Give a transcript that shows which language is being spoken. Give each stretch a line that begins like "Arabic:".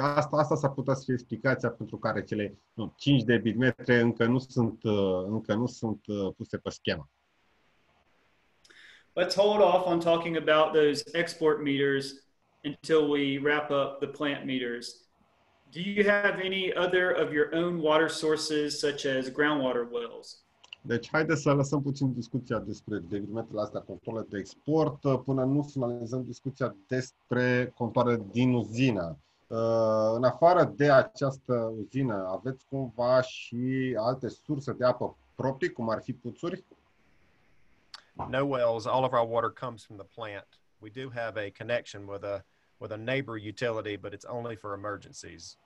Romanian: Asta s-ar putea să fie explicația pentru care cele 5 debitmetre încă nu sunt puse pe schemă.
English: Let's hold off on talking about those export meters until we wrap up the plant meters. Do you have any other of your own water sources such as groundwater wells?
Romanian: Deci haideți să lăsăm puțin discuția despre debitmetrele astea, controle de export, până nu finalizăm discuția despre controle din uzină. În afară de această uzină, aveți cumva și alte surse de apă proprii, cum ar fi puțuri?
English: No wells, all of our water comes from the plant. We do have a connection with a neighbor utility, but it's only for emergencies.